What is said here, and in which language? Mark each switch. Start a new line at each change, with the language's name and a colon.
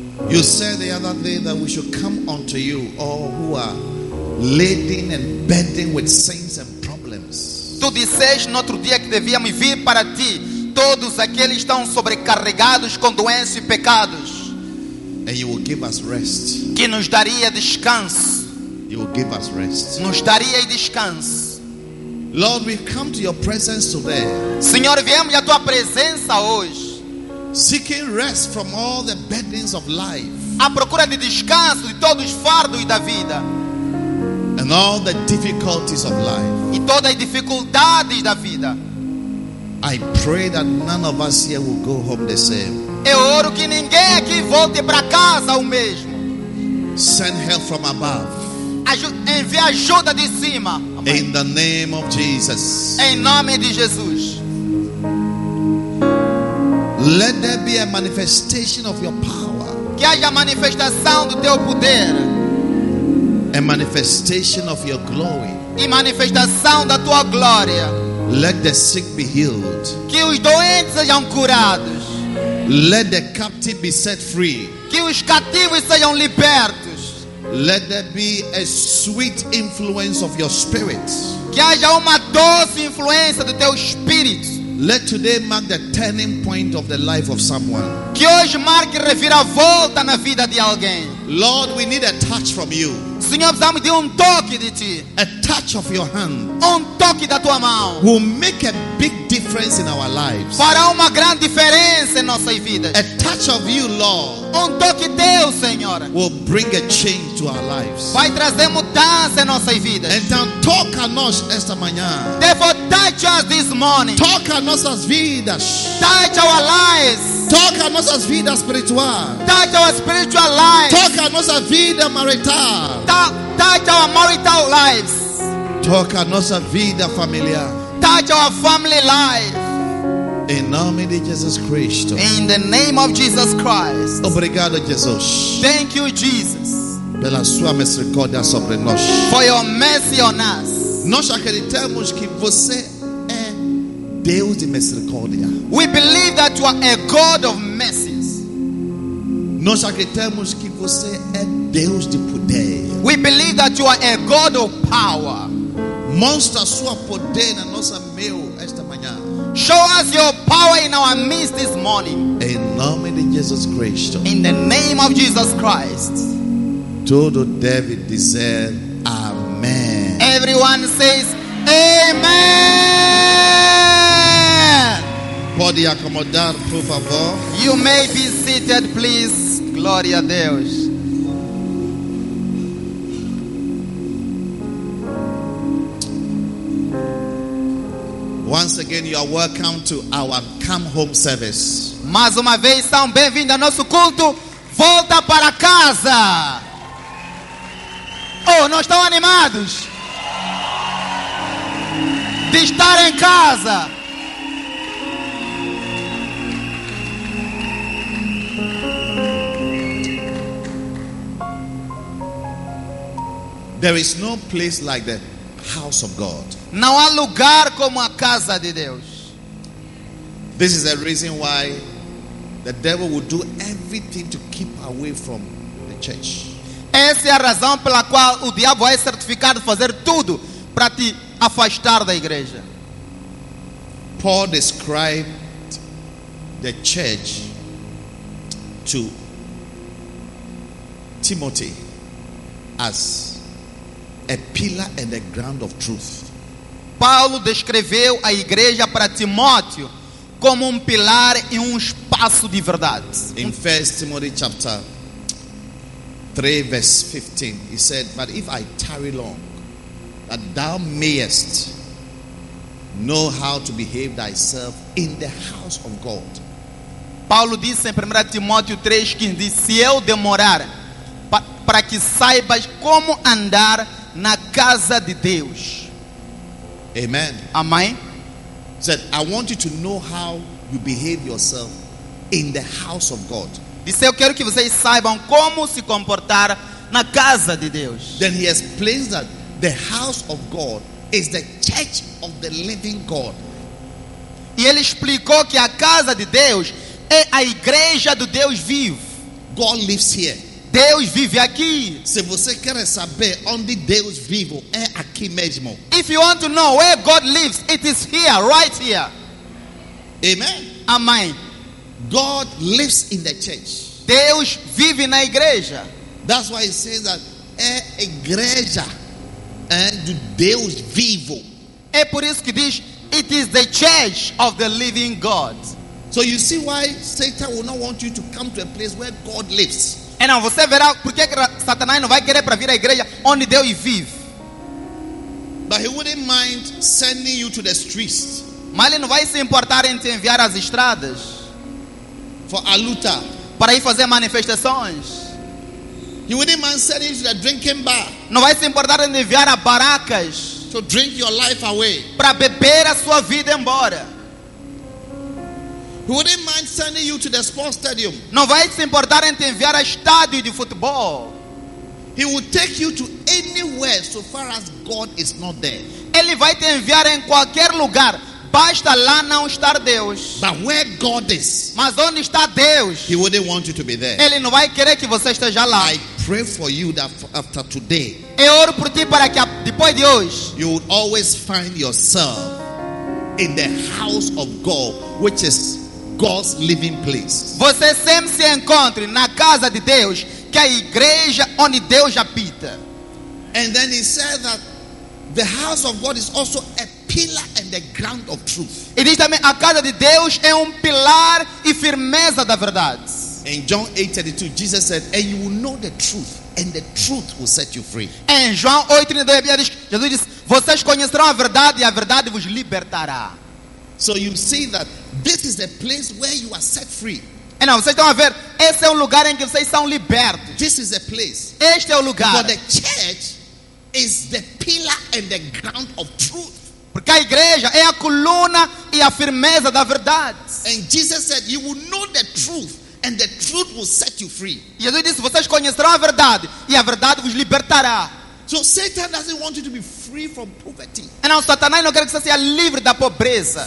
English: You said the other day that we should come unto you, all who are laden and burdened with sins and problems.
Portuguese: Tu disseste no outro dia que devíamos vir para ti, todos aqueles que estão sobrecarregados com doença e pecados.
English: And you will give us rest.
Portuguese: Que nos daria descanso.
English: You will give us rest.
Portuguese: Nos daria descanso.
English: Lord, we come to your presence today.
Portuguese: Senhor, viemos à tua presença hoje.
English: Seeking rest from all the burdens of life.
Portuguese: À procura de descanso de todos os fardos da vida.
English: And all the difficulties of life.
Portuguese: E todas as dificuldades da vida.
English: I pray that none of us here will go home the same.
Portuguese: Eu oro que ninguém aqui volte para casa o mesmo.
English: Send help from above.
Portuguese: Envie ajuda de cima.
English: In the name of Jesus.
Portuguese: Em nome de Jesus.
English: Let there be a manifestation of your power.
Portuguese: Que haja manifestação do teu poder.
English: A manifestation of your glory.
Portuguese: E manifestação da tua glória.
English: Let the sick be healed.
Portuguese: Que os doentes sejam curados.
English: Let the captive be set free.
Portuguese: Que os cativos sejam libertos.
English: Let there be a sweet influence of your spirit.
Portuguese: Que haja uma doce influência do teu espírito.
English: Let today mark the turning point of the life of someone.
Portuguese: Que hoje marque reviravolta na vida de alguém.
English: Lord, we need a touch from you.
Portuguese: Senhor, precisamos de toque de ti.
English: A touch of your hand.
Portuguese: Toque da tua mão.
English: Will make a big difference in our lives.
Portuguese: Fará uma grande diferença em nossas vidas.
English: A touch of you, Lord.
Portuguese: Toque teu, Senhor.
English: Will bring a change to our lives.
Portuguese: Vai trazer mudança em nossas vidas. Então, toque a nós esta manhã.
English: Therefore, touch us this morning.
Portuguese: Toque a nossas vidas.
English: Touch our lives.
Portuguese: Toque a nossa vida espiritual.
English: Touch our spiritual lives.
Portuguese: Toque a nossa vida marital.
English: Touch our marital lives.
Portuguese: Toque a nossa vida familiar.
English: Touch our family life.
Portuguese: Em nome de Jesus Cristo.
English: In the name of Jesus Christ.
Portuguese: Obrigado, Jesus.
English: Thank you, Jesus.
Portuguese: Pela sua misericórdia sobre nós.
English: For your mercy on us.
Portuguese: Nós acreditamos que você é Deus de misericórdia.
English: We believe that you are a God of mercies.
Portuguese: Nós acreditamos que você é Deus de poder.
English: We believe that you are a God of power.
Portuguese: Mostra sua poder na nossa meio esta manhã.
English: Show us your power in our midst this morning.
Portuguese: Em nome de Jesus Cristo.
English: In the name of Jesus Christ.
Portuguese: Todo deve dizer amém.
English: Everyone says amen.
Portuguese: Pode acomodar, por favor.
English: You may be seated, please.
Portuguese: Glória a Deus.
English: Once again, you are welcome to our come home service.
Portuguese: Mais uma vez, são bem-vindos ao nosso culto Volta para Casa. Oh, não estão animados de estar em casa?
English: There is no place like the house of God.
Portuguese: Não há lugar como a casa de Deus.
English: This is the reason why the devil will do everything to keep away from the church.
Portuguese: Essa é a razão pela qual o diabo é certificado fazer tudo para te afastar da igreja.
English: Paul described the church to Timothy as a pillar and a ground of truth.
Portuguese: Paulo descreveu a igreja para Timóteo como pilar e espaço de verdade.
English: In 1 Timothy chapter 3 verse 15, he said, "But if I tarry long, that thou mayest know how to behave thyself in the house of God."
Portuguese: Paulo disse em 1 Timóteo 3:15, se eu demorar, para que saibas como andar na casa de Deus.
English: Amen.
Portuguese: Amém.
English: Said, I want you to know how you behave yourself in the house of God.
Portuguese: Disse, eu quero que vocês saibam como se comportar na casa de Deus.
English: Then he explains that the house of God is the church of the living God.
Portuguese: E ele explicou que a casa de Deus é a igreja do Deus vivo.
English: God lives here.
Portuguese: Deus vive aqui. Se você quer saber onde Deus vive, é aqui mesmo.
English: If you want to know where God lives, it is here, right here. Amen.
Portuguese: Amém.
English: God lives in the church.
Portuguese: Deus vive na igreja.
English: That's why it says that
Portuguese: é igreja do Deus vivo. É por isso que diz,
English: it is the church of the living God. So you see why Satan will not want you to come to a place where God lives.
Portuguese: E não, você verá porque Satanás não vai querer para vir à igreja onde Deus vive.
English: But he wouldn't mind sending you to the streets.
Portuguese: Mas ele não vai se importar em te enviar às estradas. For a luta. Para ir fazer manifestações.
English: He wouldn't mind sending you to the drinking bar.
Portuguese: Não vai se importar em enviar a barracas.
English: To drink your life away.
Portuguese: Para beber a sua vida embora.
English: He wouldn't mind sending you to the sports stadium.
Portuguese: Não vai se importar em te enviar a estádio de futebol.
English: He will take you to anywhere so far as God is not there.
Portuguese: Ele vai te enviar em qualquer lugar, basta lá não estar Deus.
English: But where God is,
Portuguese: mas onde está Deus?
English: He wouldn't want you to be there.
Portuguese: Ele não vai querer que você esteja lá.
English: I pray for you that after today,
Portuguese: eu oro por ti para que depois de hoje,
English: you will always find yourself in the house of God, which is God's living place.
Portuguese: Você sempre se encontre na casa de Deus, que é a igreja onde Deus habita.
English: And then he said that the house of God is also a pillar and the ground of truth.
Portuguese: E diz também, a casa de Deus é pilar e firmeza da verdade.
English: In John 8:32, Jesus said, "And you will know the truth, and the truth will set you free."
Portuguese: Em João 8:32, Jesus diz, "Vocês conhecerão a verdade e a verdade vos libertará."
English: So you see that this is the place where you are set free.
Portuguese: E não, vocês estão a ver, esse é o lugar em que vocês são libertos.
English: This is the place.
Portuguese: Este é o lugar.
English: For the church is the pillar and the ground of truth.
Portuguese: Porque a igreja é a coluna e a firmeza da verdade.
English: And Jesus said, "You will know the truth, and the truth will set you free."
Portuguese: E Jesus disse, vocês conhecerão a verdade e a verdade vos libertará.
English: So Satan doesn't want you to be free from poverty.
Portuguese: E não, Satanás não quer que você seja livre da pobreza.